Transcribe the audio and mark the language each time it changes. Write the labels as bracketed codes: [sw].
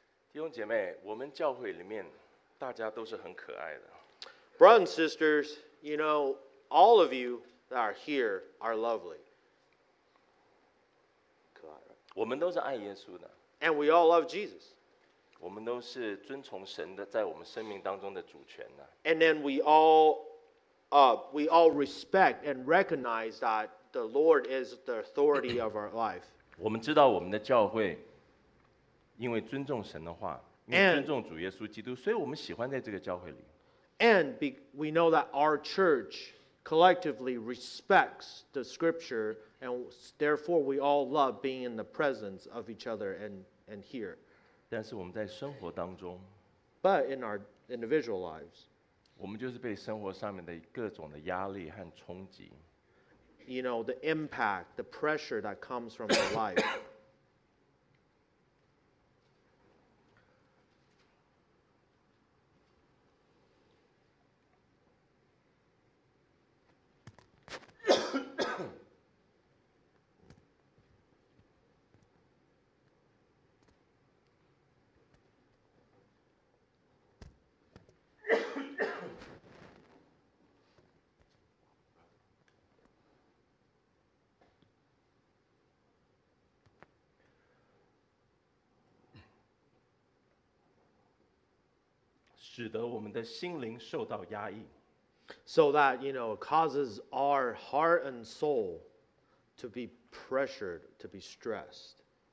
[zh] 弟兄姐妹，我们教会里面大家都是很可爱的。 [en] Brothers and sisters, you know all of you that are here are lovely. [zh] 可爱，我们都是爱耶稣的。 [en] And we all love Jesus. [zh] 我们都是遵从神的，在我们生命当中的主权呢。 [en] And then we all respect and recognize that the Lord is the authority of our life. [zh] 我们知道我们的教会，因为尊重神的话，尊重主耶稣基督，所以我们喜欢在这个教会里。 [en] And we know that our church collectively respects the Scripture. And therefore, we all love being in the presence of each other and here. [zh] 但是我们在生活当中， [en] but in our individual lives, [zh] 我们就是被生活上面的各种的压力和冲击。 [en] You know, the impact, the pressure that comes from our life. [zh] 使得我们的心灵受到压抑。 [en] So that, you know, it causes our heart and soul to be pressured, to be stressed.